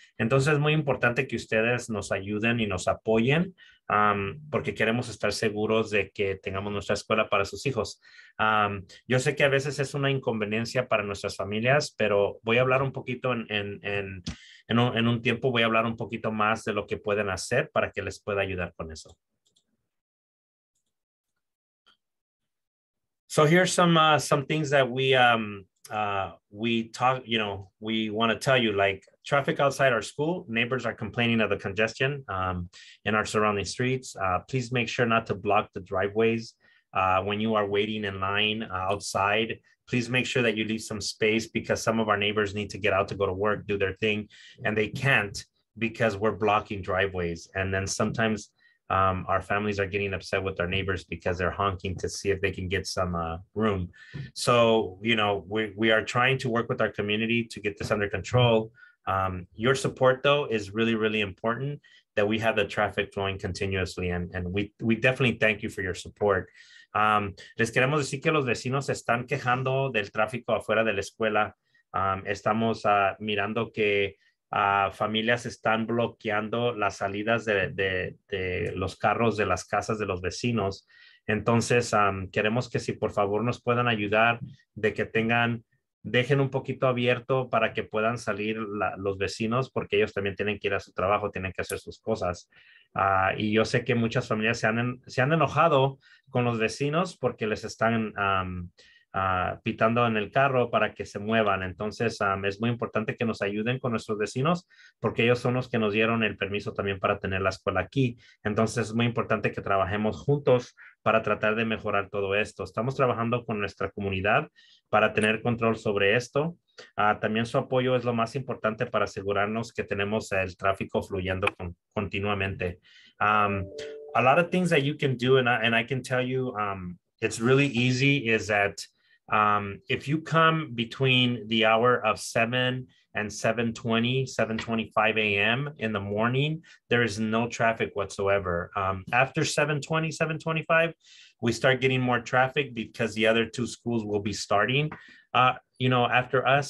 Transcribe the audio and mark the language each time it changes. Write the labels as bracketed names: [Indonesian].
[Spanish] Entonces, es muy importante que ustedes nos ayuden y nos apoyen, porque queremos estar seguros de que tengamos nuestra escuela para sus hijos. Yo sé que a veces es una inconveniencia para nuestras familias, pero voy a hablar un poquito en un tiempo, voy a hablar un poquito más de lo que pueden hacer para que les pueda ayudar con eso. [English] So here's some things that we want to tell you, like traffic outside our school, neighbors are complaining of the congestion in our surrounding streets. Please make sure not to block the driveways when you are waiting in line outside. Please make sure that you leave some space because some of our neighbors need to get out to go to work, do their thing, and they can't because we're blocking driveways. And then sometimes our families are getting upset with our neighbors because they're honking to see if they can get some room. So, you know, we are trying to work with our community to get this under control. Your support, though, is really, really important that we have the traffic flowing continuously. And we definitely thank you for your support. [Spanish] Les queremos decir que los vecinos están quejando del tráfico afuera de la escuela. Estamos mirando que familias están bloqueando las salidas de los carros de las casas de los vecinos. Entonces, queremos que si por favor nos puedan ayudar de que tengan, dejen un poquito abierto para que puedan salir los vecinos, porque ellos también tienen que ir a su trabajo, tienen que hacer sus cosas. Y yo sé que muchas familias se han enojado con los vecinos porque les están pitando en el carro para que se muevan. Entonces, es muy importante que nos ayuden con nuestros vecinos porque ellos son los que nos dieron el permiso también para tener la escuela aquí. Entonces, es muy importante que trabajemos juntos para tratar de mejorar todo esto. Estamos trabajando con nuestra comunidad para tener control sobre esto. También su apoyo es lo más importante para asegurarnos que tenemos el tráfico fluyendo continuamente. [English] A lot of things that you can do, and I can tell you, it's really easy, is that if you come between the hour of 7 and 7:20, 7:25 a.m. in the morning, there is no traffic whatsoever. After 7:20, 7:25, we start getting more traffic because the other two schools will be starting, after us.